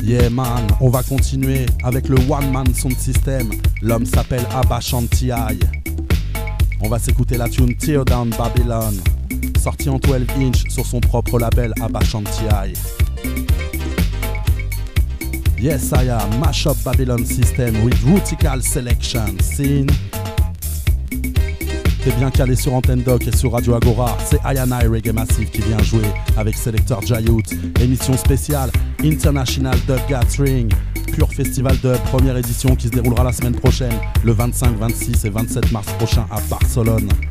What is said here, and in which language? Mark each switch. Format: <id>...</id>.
<fr>Man, on va continuer avec le One Man Sound System. L'homme s'appelle Abba Shantiai. On va s'écouter la tune Tear Down Babylon, sortie en 12 inch sur son propre label Abba Shantiai.</fr> <en>Yes, I am Mashup Babylon System with Routical Selection. Scene.</en> <fr>T'es bien calé sur Antenne Doc et sur Radio Agora. C'est Ayanai Reggae Massive qui vient jouer avec Selector Jayout. Émission spéciale International Dub Gathering, pur festival dub, première édition qui se déroulera la semaine prochaine, le 25, 26 et 27 mars prochain à Barcelone.</fr>